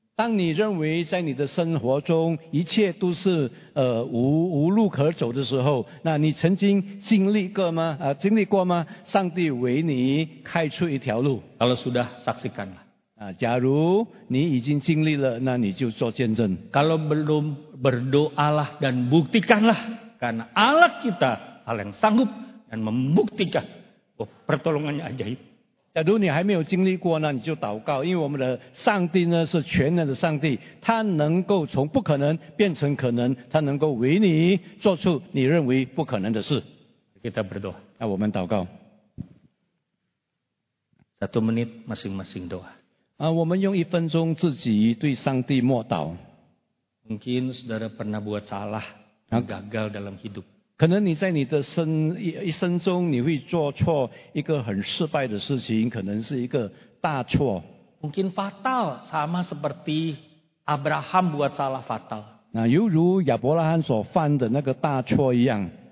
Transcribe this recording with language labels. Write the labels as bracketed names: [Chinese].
[Chinese] 当你认为在你的生活中一切都是无路可走的时候，那你曾经经历过吗？上帝为你开出一条路。 [Indonesian] Kalau sudah saksikan lah. [Chinese] 假如你已经经历了，那你就做见证。 [Indonesian] Kalau belum berdoalah dan buktikanlah, karena Allah kita Allah yang sanggup dan membuktikan pertolongannya ajaib. [Chinese] 假如你还没有经历过，那你就祷告，因为我们的上帝呢是全能的上帝，他能够从不可能变成可能，他能够为你做出你认为不可能的事。 [Indonesian] Kita berdoa. [Chinese] 那我们祷告。 [Indonesian] Satu menit masing-masing doa. [Chinese] 我们用一分钟自己对上帝默祷。 [Indonesian] Mungkin saudara pernah buat salah, gagal dalam hidup. [Chinese] 可能你在你的一生中，你会做错一个很失败的事情，可能是一个大错。 [Indonesian] Mungkin fatal, sama seperti Abraham buat salah fatal. [Chinese] 那犹如亚伯拉罕所犯的那个大错一样。